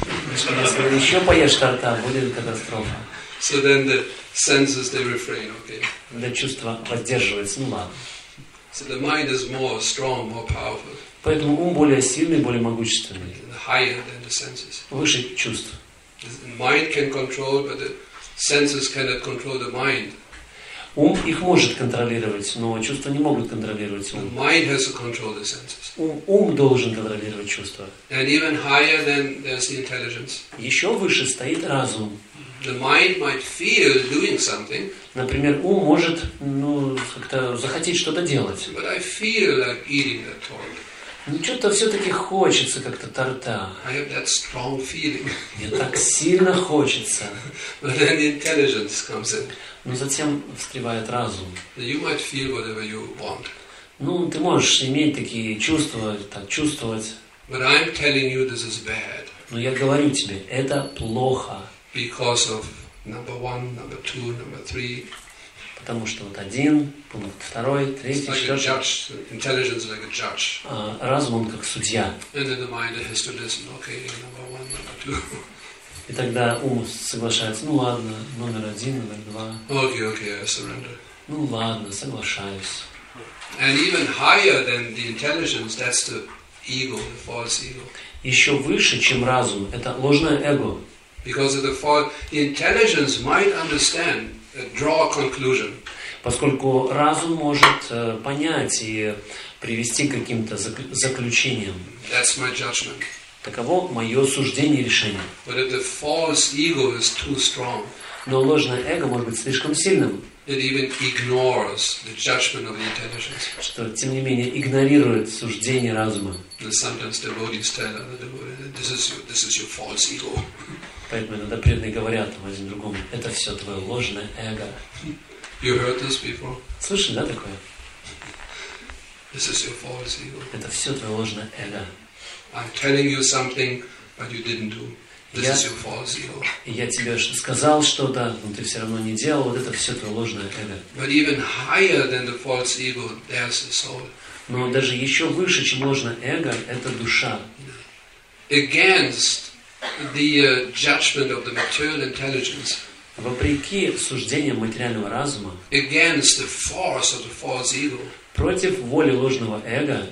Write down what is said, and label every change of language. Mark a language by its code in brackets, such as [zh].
[ru] Если ты еще поешь торта, будет катастрофа. [en] So then the senses, they refrain, okay. [ru] Да, чувство поддерживается, ну ладно. [en] So the mind is more strong, more powerful. [ru] Поэтому ум более сильный, более могущественный. [en] And higher than the senses. [ru] Выше чувств. [en] The mind can control, but the senses cannot control the mind. [ru] Ум их может контролировать, но чувства не могут контролировать ум. [en] The mind has to control the senses. [ru] Ум должен контролировать чувства. [en] And even higher than there's the intelligence. [ru] Еще выше стоит разум. [en] The mind might feel doing something. [ru] Например, ум может, ну, как-то захотеть что-то делать. [en] But I feel like eating that tort. [ru] Ну, что-то все-таки хочется как-то торта. [en] I have that strong feeling. [ru] Мне так сильно хочется. [en] But then the intelligence comes in. [ru] Но затем встревает разум. [en] You might feel whatever you want. [ru] Ну, ты можешь иметь такие чувства, так чувствовать. [en] But I'm telling you this is bad. [ru] Но я говорю тебе, это плохо. [en] Because of number one, number two, number three. [ru] Потому что вот один, пункт второй, третий, [en] like [ru] четвертый. [en] A judge. Intelligence is like a judge. [ru] А разум, он как судья. [en] And then the mind has to listen, okay, number one, number two. [ru] И тогда ум соглашается, ну ладно, номер один, номер два. [en] Okay, okay, I surrender. [ru] Ну ладно, соглашаюсь. [en] And even higher than the intelligence, that's the ego, the false ego. [ru] Еще выше, чем разум, это ложное эго. [en] Because of the false, the intelligence might understand, draw a conclusion. [ru] Поскольку разум может понять и привести к каким-то заключениям. [en] That's my judgment. [ru] Таково мое суждение и решение. [en] But if the false ego is too strong, [ru] но ложное эго может быть слишком сильным. [en] It even ignores the judgment of the intelligence. [ru] Что, тем не менее, игнорирует суждение разума. [en] And sometimes the devotees tell another devotee, this is your false ego. [ru] Поэтому иногда преданные говорят один другому, это все твое ложное эго. [en] You heard this before? [ru] Слышали, да, такое? [en] This is your false ego. [ru] Это все твое ложное эго. [en] I'm telling you something, but you didn't do. This is your false ego. [ru] Я тебе сказал что-то, но ты все равно не делал. Вот это все твое ложное эго. [en] But even higher than the false ego, there's the soul. [ru] Но даже еще выше, чем ложное эго, это душа. [en] Against the judgment of the material intelligence. [ru] Вопреки суждениям материального разума. [en] Against the force of the false ego. [ru] Против воли ложного эго.